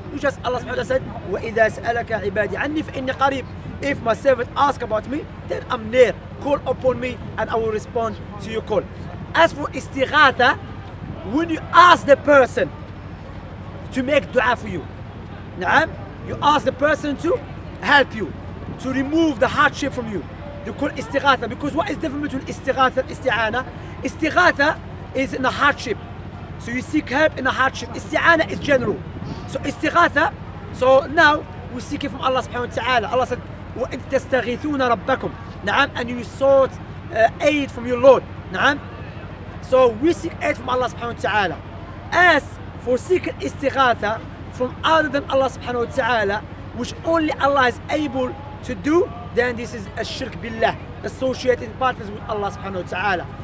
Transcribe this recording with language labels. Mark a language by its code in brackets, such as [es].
[en] You just, Allah subhanahu said, [ar] وَإِذَا سَأَلَكَ عِبَادِي عَنِّي فَإِنِّي قَرِيبٌ. [en] If my servant ask about me, then I'm near. Call upon me and I will respond to your call. As for istighatha, when you ask the person to make dua for you, na'am, you ask the person to help you, to remove the hardship from you. You call istighatha, because what is the difference between istighatha and isti'ana? Istighatha is in a hardship. So you seek help in a hardship. Isti'ana is general. So istighatha, so now we seek it from Allah subhanahu wa ta'ala. Allah said, [ar] وَإِن تَسْتَغِيثُونَ رَبَّكُمْ. [en] Na'am, and you sought aid from your Lord. Na'am. So we seek aid from Allah subhanahu wa ta'ala. As for seeking istighatha from other than Allah subhanahu wa ta'ala, which only Allah is able to do, then this is a shirk billah, associating partners with Allah subhanahu wa ta'ala.